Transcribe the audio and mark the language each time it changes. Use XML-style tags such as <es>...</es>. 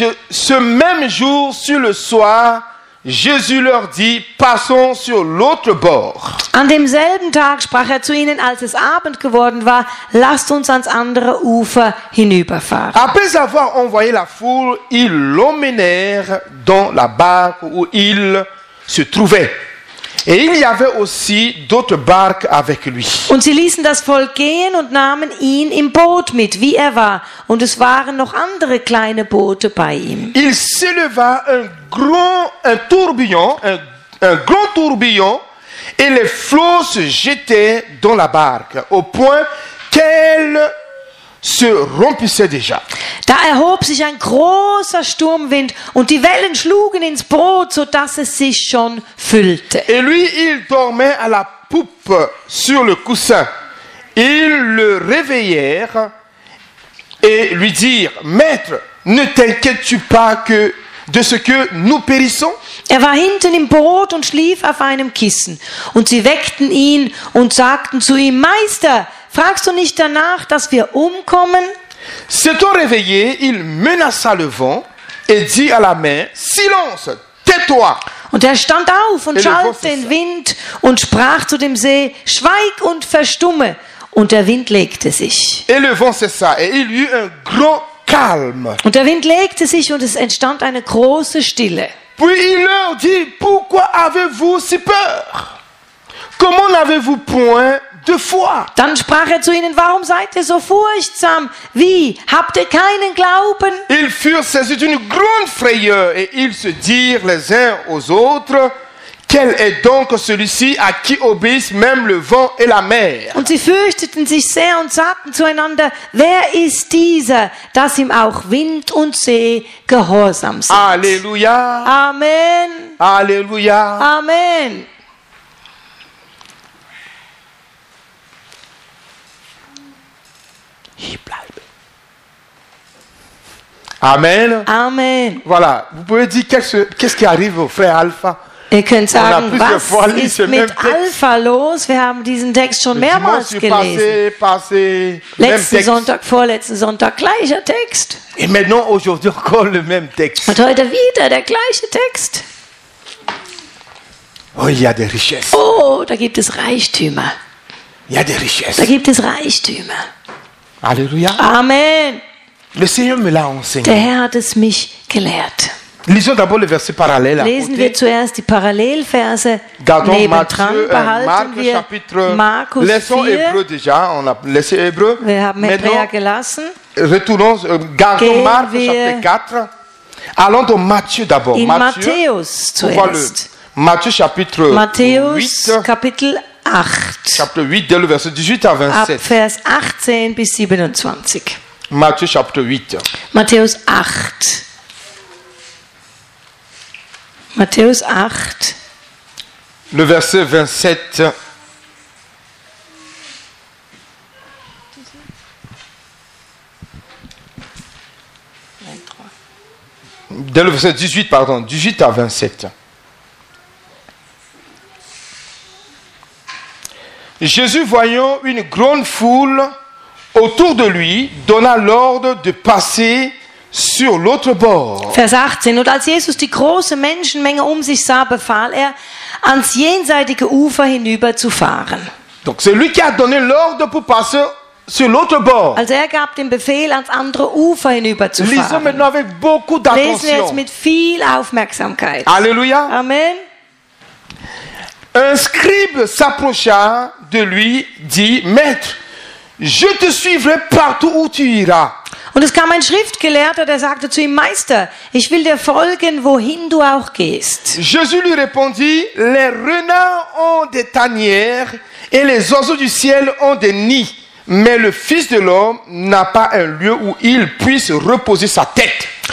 <fr>Ce même jour, sur le soir, Jésus leur dit, passons sur l'autre bord.</fr> <de>An demselben Tag sprach er zu ihnen, als es Abend geworden war, lasst uns ans andere Ufer hinüberfahren.</de> <fr>Après avoir envoyé la foule, ils l'emmenèrent dans la barque où il se trouvait. Et il y avait aussi d'autres barques avec lui.</fr> <de>Und sie ließen das Volk gehen und nahmen ihn im Boot mit, wie er war. Und es waren noch andere kleine Boote bei ihm.</de> <fr>Il s'éleva un grand, un tourbillon, un, un grand tourbillon et les flots se jetaient dans la barque au point qu'elle se rompissait déjà.</fr> <de>Da erhob sich ein großer Sturmwind und die Wellen schlugen ins Boot, so dass es sich schon füllte.</de> <fr>Et lui, il dormait à la poupe sur le coussin. Ils le réveillèrent et lui dirent: Maître, ne t'inquiètes-tu pas que de ce que nous périssons?</fr> <de>Er war hinten im Boot und schlief auf einem Kissen. Und sie weckten ihn und sagten zu ihm: Meister, fragst du nicht danach, dass wir umkommen?</de> <fr>S'étant réveillé, il menaça le vent et dit à la mer: Silence, tais-toi!</fr> <de>Und er stand auf und schalt den Wind und sprach zu dem See: Schweig und verstumme! Und der Wind legte sich.</de> <fr>Et le vent cessa et il y eut un grand calme.</fr> <de>Und der Wind legte sich und es entstand eine große Stille.</de> <fr>Puis il leur dit: Pourquoi avez-vous si peur? Comment n'avez-vous point de foi?</fr> <de>Dann sprach er zu ihnen: Warum seid ihr so furchtsam? Wie? Habt ihr keinen Glauben?</de> <fr>Ils furent saisis d'une grande frayeur et ils se dirent les uns aux autres: Quel est donc celui-ci à qui obéissent même le vent et la mer?</fr> <de>Und sie fürchteten sich sehr und sagten zueinander: Wer ist dieser, dass ihm auch Wind und See gehorsam sind? Alléluia. Amen. Alléluia. Amen. Amen. Amen.</de> <fr>Voilà, vous pouvez dire qu'est-ce qui arrive au frère Alpha?</fr> <de>Ihr könnt sagen, was ist mit Alpha los? Wir haben diesen Text schon mehrmals gelesen. Letzten Sonntag, vorletzten Sonntag, gleicher Text.</de> <fr>Et maintenant, aujourd'hui encore le même texte.</fr> <de>Und heute wieder der gleiche Text.</de> <fr>Oh, il y a des richesses.</fr> <de>Oh, da gibt es Reichtümer.</de> <fr>Il y a des richesses.</fr> <de>Da gibt es Reichtümer. Alléluia. Amen.</de> <fr>Le Seigneur me l'a enseigné.</fr> <de>Der Herr hat es mich gelehrt.</de> <fr>Lisons d'abord le verset parallèle à côté.</fr> <de>Lesen wir zuerst die Parallelverse. Gardons nebendran, behalten Marc, wir</de> <fr>Laissons Hébreux déjà, on a laissé Hébreux.</fr> <de>Wir haben Hébreux gelassen.</de> <fr>Retournons, gardons Marc chapitre 4. Allons dans Matthieu d'abord.</fr> <de>In Matthäus zuerst.</de> <fr>Matthieu chapitre 8.</fr> <de>Matthäus Kapitel 8.</de> <fr>Chapitre 8, dès le verset 18 à 27.</fr> <de>Ab Vers 18 bis 27.</de> <fr>Matthieu chapitre 8.</fr> <de>Matthäus 8. Matthäus 8.</de> <fr>Le verset 27. Dès le verset 18, pardon, 18 à 27. Jésus, voyant une grande foule autour de lui, donna l'ordre de passer sur l'autre bord.</fr> <de>Vers 18. Und als Jesus die große Menschenmenge um sich sah, befahl er, ans jenseitige Ufer hinüber zu fahren.</de> <fr>Donc c'est lui qui a donné l'ordre pour passer sur l'autre bord.</fr> <de>Also er gab den Befehl, ans andere Ufer hinüber zu fahren.</de> <fr>Lisons maintenant avec beaucoup d'attention.</fr> <de>Lesen wir jetzt mit viel Aufmerksamkeit. Alléluia. Amen.</de> <fr>Un scribe s'approcha de lui, dit: Maître, je te suivrai partout où tu iras.</fr> <de>Und es kam ein Schriftgelehrter, der sagte zu ihm: Meister, ich will dir folgen, wohin du auch gehst.</de> <fr>Jésus lui répondit: Les renards ont des tanières et les oiseaux du ciel ont des nids, mais le Fils de l'homme n'a pas un lieu où il puisse reposer sa tête.</fr>